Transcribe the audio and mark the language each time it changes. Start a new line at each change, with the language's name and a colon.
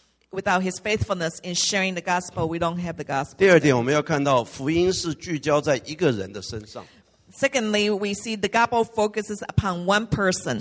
English: without his faithfulness in sharing the gospel, we don't have the gospel.
Chinese: 第二点我们要看到福音是聚焦在一个人的身上。
English: Secondly, we see the gospel focuses upon one person.